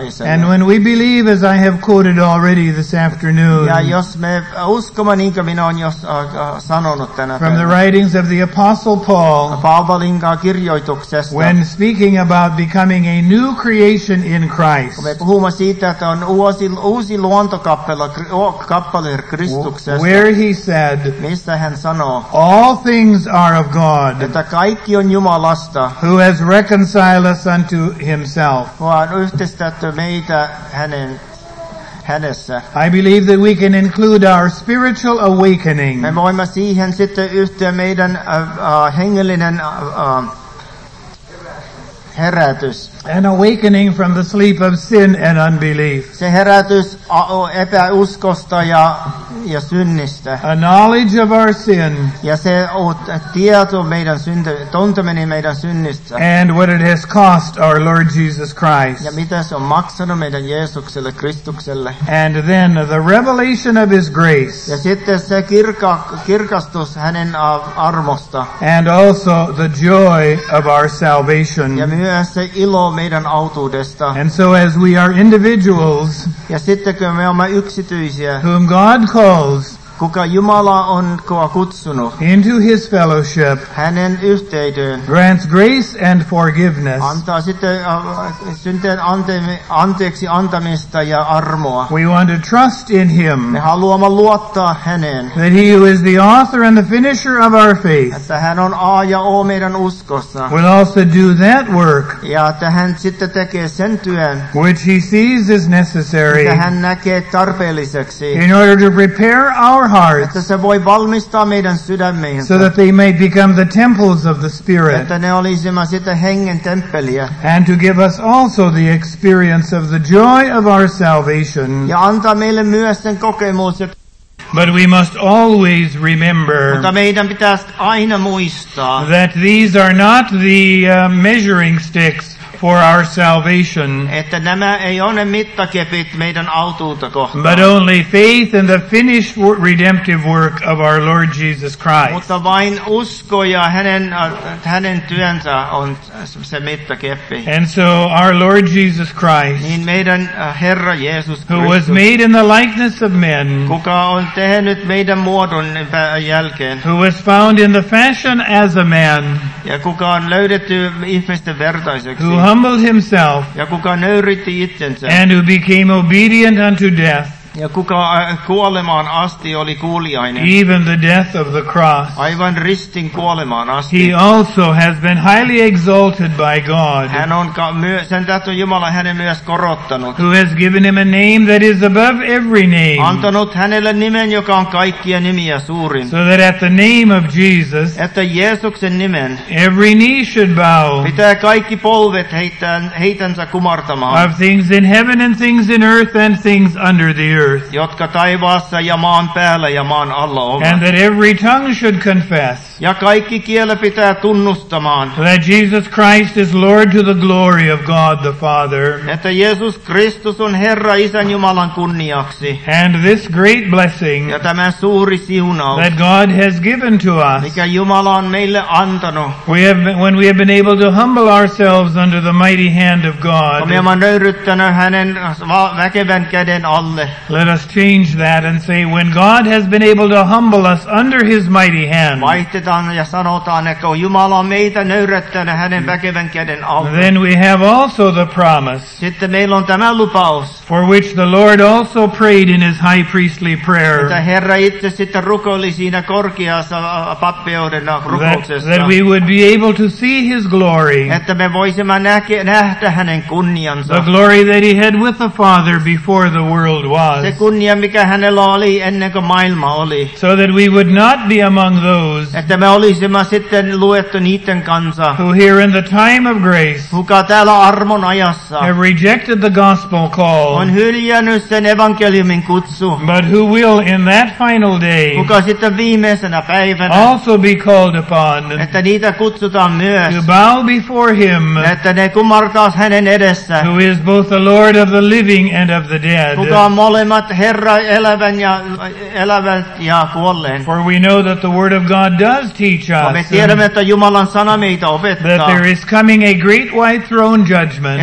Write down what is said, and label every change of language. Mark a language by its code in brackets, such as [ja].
[en] And when we believe, as I have quoted already this afternoon, [fi] ja jos me uskomme, niin kuin minä olen jo sanonut tänä [en] from the writings of the Apostle Paul, [fi] Paavalin kirjoituksesta, [en] when speaking about becoming a new creation in Christ, [fi] kun me puhumme siitä, että on uusi luontokappale Kristuksesta, [en] where he said, [fi] missä hän sanoo, [en] all things are of God, [fi] että kaikki on Jumalasta, [en] who has reconciled us unto him. I believe that we can include our spiritual awakening. [fi] Me voimme siihen sitten yhteen meidän hengellinen herätys. [en] An awakening from the sleep of sin and unbelief. [fi] Se herätys epäuskosta ja ja synnistä. [en] A knowledge of our sin. [fi] Ja se tieto meidän tuntemeni meidän synnistä. [en] And what it has cost our Lord Jesus Christ. [fi] Ja mitä se on maksanut meidän Jeesukselle Kristukselle. [en] And then the revelation of his grace. [fi] Ja sitten se kirkastus hänen armosta. [en] And also the joy of our salvation. [fi] Ja myös se ilo meidän autuudesta. [en] And so as we are individuals. [fi] Ja sitten kun me olemme yksityisiä. [en] Whom God calls. [fi] Kuka Jumala on kuka kutsunut. [en] Into his fellowship. [fi] Hänen yhteyteen. [en] Grants grace and forgiveness. [fi] Antaa sitten synteen anteeksi antamista ja armoa. [en] We want to trust in him. [fi] Me haluamme luottaa häneen. [en] That he who is the author and the finisher of our faith. [fi] Että hän on A ja O meidän uskossa. [en] Will also do that work. [fi] Ja että hän sitten tekee sen työn. [en] Which he sees is necessary. [fi] Mitä hän näkee tarpeelliseksi. [en] In order to prepare our hearts, [fi] että se voi valmistaa meidän sydämeensä, [en] so that they may become the temples of the Spirit, [fi] että ne olisimme sitä hengen temppeliä, [en] and to give us also the experience of the joy of our salvation. [fi] Ja antaa meille myös sen kokemus, että [en] but we must always remember, [fi] mutta meidän pitäisi aina muistaa, [en] that these are not the measuring sticks for our salvation, [fi] että nämä ei ole mittakepit meidän autuutta kohtaan, [en] but only faith in the finished redemptive work of our Lord Jesus Christ. [fi] Mutta vain usko ja hänen työnsä on se mittakeppi. [en] And so our Lord Jesus Christ, [fi] niin meidän Herra Jeesus Kristus, [en] who was made in the likeness of men, [fi] kuka on tehnyt meidän muodon jälkeen, [en] who was found in the fashion as a man, [fi] ja kuka on löydetty ihmisten vertaiseksi, [en] who humbled himself, [fi] ja kuka nöyrytti itsensä, [en] and who became obedient unto death, [fi] ja kuka kuolemaan asti oli kuuliainen, [en] even the death of the cross, [fi] aivan ristin kuolemaan asti, [en] he also has been highly exalted by God, [fi] hän on sen tähden Jumala hänen myös korottanut, [en] who has given him a name that is above every name, [fi] antanut hänelle nimen, joka on kaikkia nimiä suurin, [en] so that at the name of Jesus, [fi] että Jeesuksen nimen, [en] every knee should bow, [fi] pitää kaikki polvet heitänsä kumartamaan, [en] of things in heaven and things in earth and things under the earth, [fi] jotka taivaassa ja maan päällä ja maan alla ovat, [en] and that every tongue should confess, [fi] ja kaikki kieli pitää tunnustamaan, [en] that Jesus Christ is Lord to the glory of God the Father, [fi] että Jeesus Kristus on Herra Isän Jumalan kunniaksi, [en] and this great blessing, [fi] ja tämä suuri siunaus, [en] that God has given to us, [fi] mikä Jumala on meille antanut, [en] when we have been able to humble ourselves under the mighty hand of God, [fi] kun me olemme nöyryttäneet hänen väkevän käden alle. [en] Let us change that and say, when God has been able to humble us under his mighty hand, [fi] vaihtetaan ja sanotaan, että Jumala on meitä nöyrättänyt hänen väkevän käden alla. [en] Then we have also the promise, [fi] sitten meillä on tämä lupaus, [en] for which the Lord also prayed in his high priestly prayer, [fi] että Herra itse sitten rukoili siinä korkeassa pappeuden rukouksessa, [en] that we would be able to see his glory, [fi] että me voisimme nähdä hänen kunniansa, [en] the glory that he had with the Father before the world. [fi] Se kunnia, mikä hänellä oli ennen kuin maailma oli. [en] So that we would not be among those, [fi] että me olisimme sitten luettu niiden kanssa, [en] who here in the time of grace, [fi] kuka täällä armon ajassa, [en] have rejected the gospel call, [fi] on hyljännyt sen evankeliumin kutsu, [en] but who will in that final day, [fi] kuka sitten viimeisenä päivänä, [en] also be called upon, [fi] että niitä kutsutaan myös, [en] to bow before him, [fi] että ne kumartaas hänen edessä, [en] who is both the Lord of the living and of the dead, [fi] kuka on molemmat Herra elävät ja kuolleen. [en] For we know that the word of God does teach us. [fi] Me tiedämme, että Jumalan sana meitä opettaa. [en] That there is coming a great white throne judgment.